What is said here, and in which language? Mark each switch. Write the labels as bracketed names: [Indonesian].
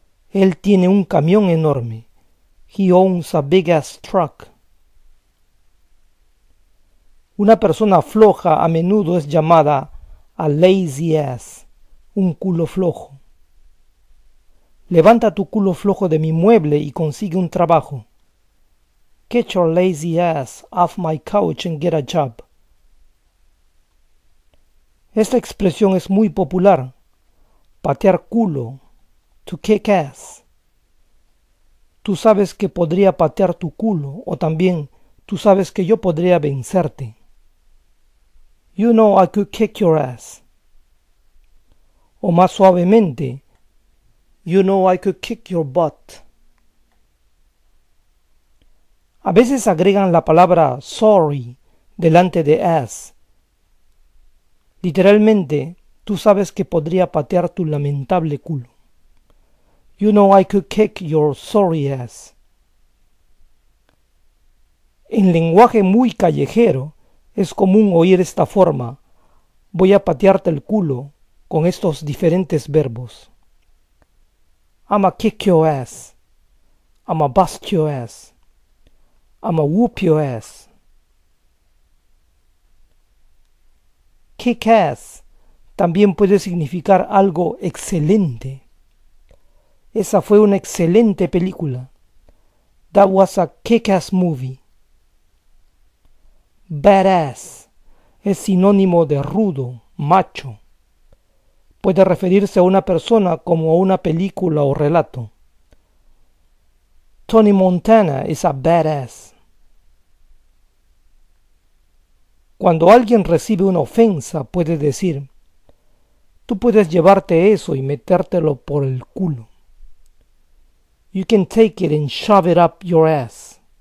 [Spanish] Él tiene un camión enorme. [English] He owns a big ass truck. [Spanish] Una persona floja a menudo es llamada [English] a lazy ass, [Spanish] un culo flojo. Levanta tu culo flojo de mi mueble y consigue un trabajo. [English] Get your lazy ass off my couch and get a job. [Spanish] Esta expresión es muy popular. Patear culo. [English] To kick ass. [Spanish] Tú sabes que podría patear tu culo. O también, tú sabes que yo podría vencerte. [English] You know I could kick your ass. [Spanish] O más suavemente. [English] You know I could kick your butt. [Spanish] A veces agregan la palabra sorry delante de as. Literalmente, tú sabes que podría patear tu lamentable culo. [English] You know I could kick your sorry ass. [Spanish] En lenguaje muy callejero, es común oír esta forma. Voy a patearte el culo con estos diferentes verbos. [English] I'ma kick your ass. I'ma bust your ass. I'ma whoop your ass. [Spanish] Kick ass también puede significar algo excelente. Esa fue una excelente película. [English] That was a kick-ass movie. [Spanish] Badass es sinónimo de rudo, macho. Puede referirse a una persona como a una película o relato. [English] Tony Montana is a badass. [Spanish] Cuando alguien recibe una ofensa, puede decir, tú puedes llevarte eso y metértelo por el culo. [English] You can take it and shove it up your ass.